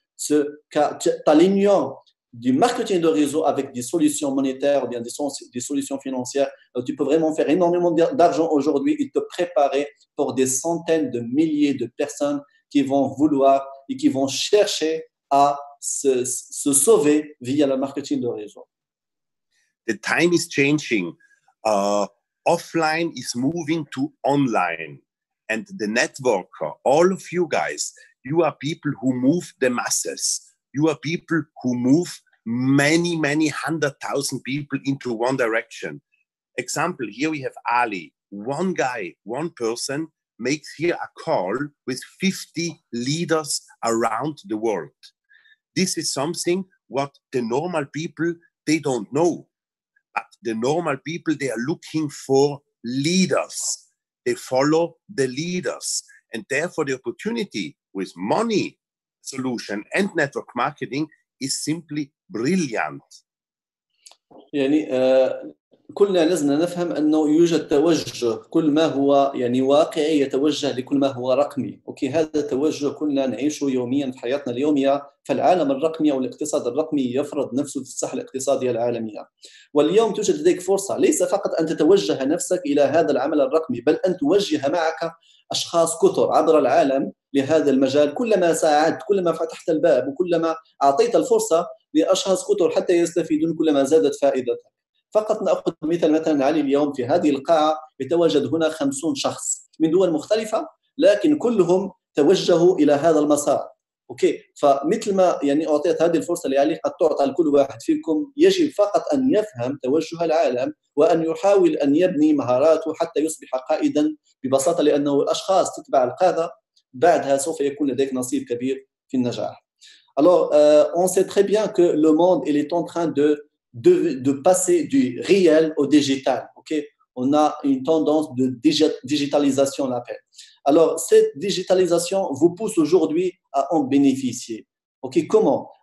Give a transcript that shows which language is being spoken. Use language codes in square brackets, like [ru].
[fr] Ce t'alignant du marketing de réseau avec des solutions monétaires ou bien des solutions financières, tu peux vraiment faire énormément d'argent aujourd'hui et te préparer pour des centaines de milliers de personnes qui vont vouloir et qui vont chercher à se sauver via le marketing de réseau. [en] The time is changing. Offline is moving to online. And the networker, all of you guys, you are people who move the masses. You are people who move many, many hundred thousand people into one direction. Example, here we have Ali. One guy, one person makes here a call with 50 leaders around the world. This is something what the normal people, they don't know. But the normal people, they are looking for leaders. They follow the leaders. And therefore, the opportunity with money solution and network marketing is simply brilliant. [ar] يعني كلنا لازم نفهم انه يوجد توجه كل ما هو يعني واقعي يتوجه لكل ما هو رقمي. اوكي هذا التوجه كلنا نعيشه يوميا في حياتنا اليوميه فالعالم الرقمي او الاقتصاد الرقمي يفرض نفسه في الساحه الاقتصاديه العالميه. واليوم توجد لديك فرصه ليس فقط ان تتوجه نفسك الى هذا العمل الرقمي بل ان توجه معك اشخاص كثر عبر العالم لهذا المجال. كلما ساعدت كلما فتحت الباب وكلما اعطيت الفرصه لاشخاص كثر حتى يستفيدون كلما زادت فائدتك. فقط ناخذ مثال مثلا علي اليوم في هذه القاعه يتواجد هنا 50 شخص من دول مختلفه لكن كلهم توجهوا الى هذا المسار. اوكي فمثل ما يعني اعطيت هذه الفرصه لعلي قد تعطى لكل واحد فيكم. يجب فقط ان يفهم توجه العالم وان يحاول ان يبني مهاراته حتى يصبح قائدا ببساطه لانه الاشخاص تتبع القاده بعدها سوف يكون لديك نصيب كبير في النجاح. [fr] Alors, on sait très bien que le monde il est en train de passer du réel au digital. Okay? On a une tendance de digitalisation, on l'appelle. Alors, cette digitalisation vous pousse aujourd'hui à en bénéficier. Okay, comment?